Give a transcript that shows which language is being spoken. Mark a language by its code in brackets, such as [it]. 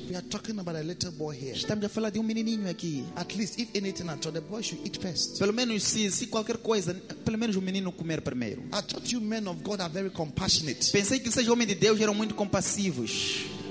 [en] We are talking about a little boy here. [pt] Estamos a falar de menininho aqui. [en] At least, if anything at all, the boy should eat first. [pt] Pelo menos se qualquer coisa, pelo menos o menino comer primeiro. [en] I thought you men of God are very compassionate. [pt] Pensei que vocês homens de Deus eram muito compassivos.